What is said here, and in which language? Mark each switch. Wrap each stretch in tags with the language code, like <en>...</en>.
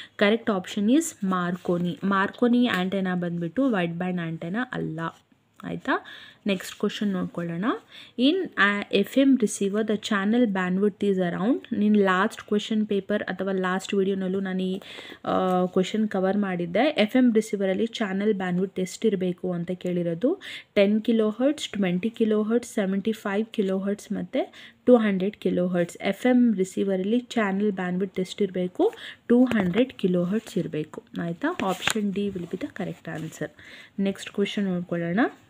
<en>Correct option is Marconi. Marconi antenna</en> <kn>ಬಂದುಬಿಟ್ಟು</kn> <en>wide band antenna</en> <kn>ಅಲ್ಲ. ಆಯಿತಾ?</kn> <en>next question</en> <kn>ನೋಡ್ಕೊಳ್ಳೋಣ.</kn> <en>In FM receiver the channel bandwidth is around.</en> <kn>ನಿನ್ನ last question paper ಅಥವಾ last ವೀಡಿಯೋನಲ್ಲೂ ನಾನು ಈ ಕ್ವೆಶನ್ ಕವರ್ ಮಾಡಿದ್ದೆ. FM ರಿಸೀವರಲ್ಲಿ ಚಾನಲ್ ಬ್ಯಾಂಡ್ವಿಡ್ತ್ ಎಷ್ಟಿರಬೇಕು ಅಂತ ಕೇಳಿರೋದು. 10 kHz, 20 kHz, 75 kHz ಮತ್ತು 200 kHz.</kn> <en>FM ರಿಸೀವರಲ್ಲಿ channel bandwidth</en> <kn>ಎಷ್ಟಿರಬೇಕು? 200 kHz ಇರಬೇಕು. ಆಯಿತಾ?</kn> <en>Option D will be the correct answer. Next question</en> <kn>ನೋಡ್ಕೊಳ್ಳೋಣ.</kn>